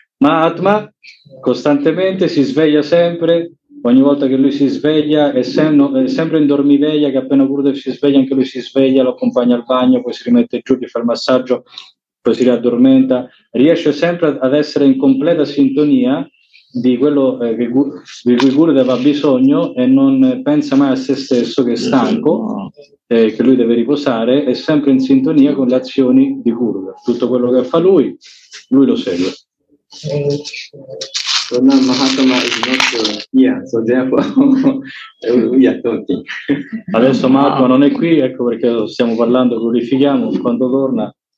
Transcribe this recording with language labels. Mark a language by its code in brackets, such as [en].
[it] Ma Atma costantemente si sveglia sempre, ogni volta che lui si sveglia è sempre in dormiveglia, che appena Gurudev si sveglia anche lui si sveglia, lo accompagna al bagno, poi si rimette giù, gli fa il massaggio, poi si riaddormenta, riesce sempre ad essere in completa sintonia di quello di cui Gurudev ha bisogno e non pensa mai a se stesso che è stanco, che lui deve riposare, è sempre in sintonia con le azioni di Gurudev. Tutto quello che fa lui, lui lo segue. [en] Pranam Mahatma is not here, so therefore we are talking. [it] Adesso Mahatma non è qui, ecco perché stiamo parlando, glorifichiamo quando torna.